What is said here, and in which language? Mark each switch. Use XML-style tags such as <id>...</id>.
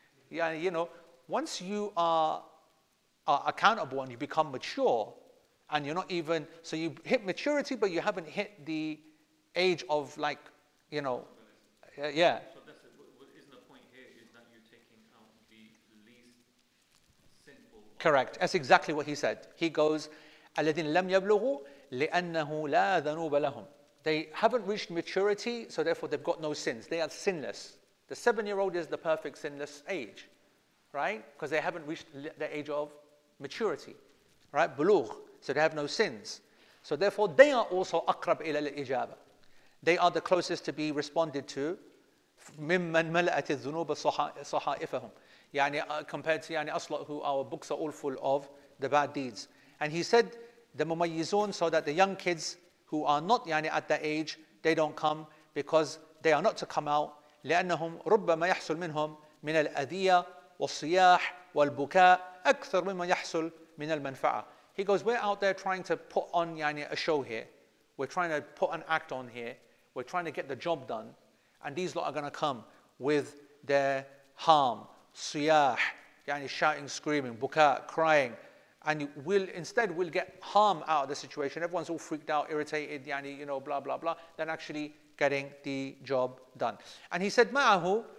<en>Yeah, you know, once you are accountable and you become mature, and you're not even, so you hit maturity, but you haven't hit the age of, like, you know, yeah. So that's what isn't the point here is that you're taking out the least sinful. Correct. That's exactly what he said. He goes,</en> <ar>الَّذِينَ لَمْ يَبْلُغُوا لِأَنَّهُ لَا ذَنُوبَ لَهُمْ.</ar> <en>They haven't reached maturity, so therefore they've got no sins. They are sinless. The seven-year-old is the perfect sinless age, right? Because they haven't reached the age of maturity, right? بلوغ. So they have no sins. So therefore, they are also</en> <ar>أقرب إلى الإجابة.</ar> <en>They are the closest to be responded to.</en> <ar>مِمَّنْ مَلَأَتِ الذُّنُوبَ صَحَائِفَهُمْ.</ar> <en>يعني compared to يعني أصلاً who our books are all full of the bad deeds. And he said, the مميزون, so that the young kids who are not يعني at that age, they don't come because they are not to come out.</en> <ar>لأنهم ربما يحصل منهم من الأذية والصياح والبكاء أكثر مما يحصل من المنفعة.</ar> <en>He goes, we're out there trying to put on yani, a show here. We're trying to put an act on here. We're trying to get the job done. And these lot are going to come with their harm, suyah, yani, shouting, screaming, buka, crying. And we'll get harm out of the situation. Everyone's all freaked out, irritated, yani, you know, blah, blah, blah. Then actually getting the job done. And he said, ma'ahu,</en>